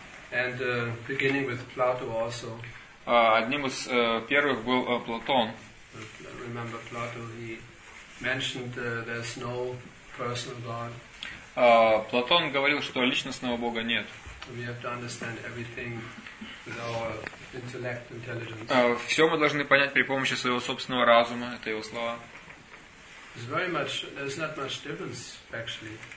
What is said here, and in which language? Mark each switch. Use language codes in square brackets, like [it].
[en] And beginning with Plato also. [ru] Одним из первых был Платон. [en] Remember Plato, he mentioned there's no personal God. [ru] Платон говорил, что личностного Бога нет. [en] We have to understand everything with our intellect, intelligence. [ru] Все мы должны понять при помощи своего собственного разума, это его слова. [en] It's very much, there's not much difference, actually.